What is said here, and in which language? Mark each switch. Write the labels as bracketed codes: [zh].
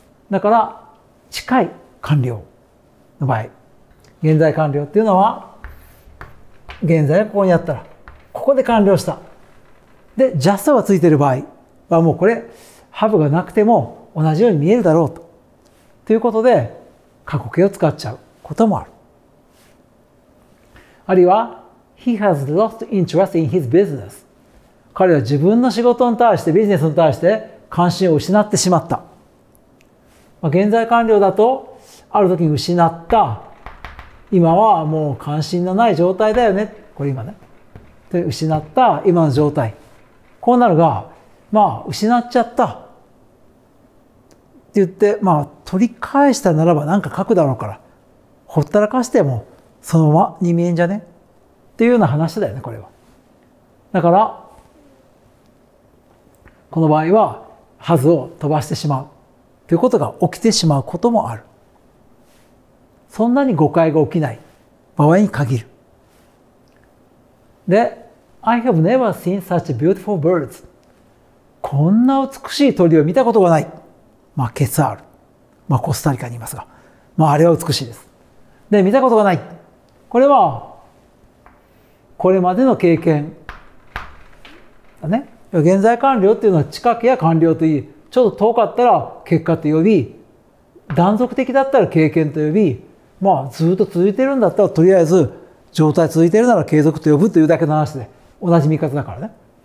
[ja] だから近い完了の場合、現在完了っていうのは現在がここにあったらここで完了した、でジャストがついてる場合はもうこれハブがなくても同じように見えるだろうと、ということで過去形を使っちゃうこともある。あるいは [en] He has lost interest in his business。 [ja] 彼は自分の仕事に対して、ビジネスに対して関心を失ってしまった、まあ、現在完了だとある時に失った、今はもう関心のない状態だよね、これ今ね、で失った今の状態、こうなるが、まあ失っちゃったって言って、まあ取り返したならば何か書くだろうから、ほったらかしてもそのままに見えんじゃねっていうような話だよね、これは。だからこの場合はハズを飛ばしてしまうということが起きてしまうこともある。そんなに誤解が起きない場合に限る。 [en] で、I have never seen such beautiful birds。 [ja] こんな美しい鳥を見たことがない。まあケツァール、まあコスタリカにいますが、まああれは美しいです。で、見たことがない、これはこれまでの経験だね。現在完了っていうのは近くや完了といい、ちょっと遠かったら結果と呼び、断続的だったら経験と呼び、まあずっと続いてるんだったらとりあえず状態続いてるなら継続と呼ぶというだけの話で、同じ見方だからね。